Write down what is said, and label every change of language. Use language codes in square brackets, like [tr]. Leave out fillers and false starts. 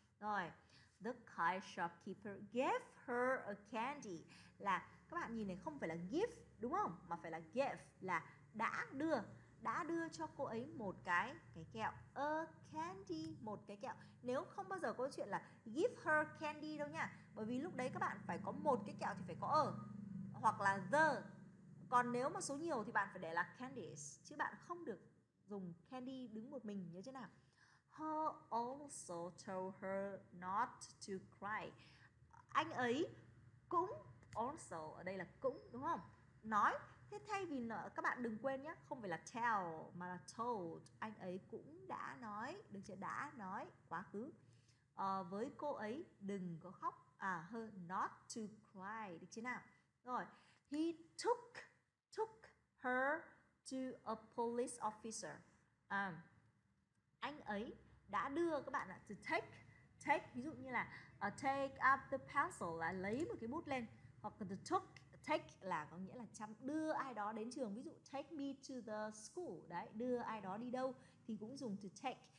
[vi] Rồi, [en] the kind shopkeeper gave her a candy [vi] là các bạn nhìn này, không phải là give đúng không, mà phải là give là đã đưa cho cô ấy một cái kẹo, a candy, một cái kẹo. Nếu không bao giờ có chuyện là [en] give her candy [vi] đâu nha, bởi vì lúc đấy các bạn phải có một cái kẹo thì phải có a hoặc là the, còn nếu mà số nhiều thì bạn phải để là candies, chứ bạn không được dùng candy đứng một mình, nhớ chưa nào? [en] Her also told her not to cry. [vi] Anh ấy cũng, also ở đây là cũng đúng không, nói Thế thay vì các bạn đừng quên nhé, không phải là tell mà là told. Anh ấy cũng đã nói, đừng chỉ đã nói quá khứ. Với cô ấy đừng có khóc, à hơn [en] not to cry, [vi] được chưa nào? [en] Rồi, he took her to a police officer. [vi] Anh ấy đã đưa các bạn ạ, to take ví dụ như là [en] take up the pencil [vi] là lấy một cái bút lên, hoặc là take là có nghĩa là chăm đưa ai đó đến trường, ví dụ [en] take me to the school, [vi] đấy, đưa ai đó đi đâu thì cũng dùng to take.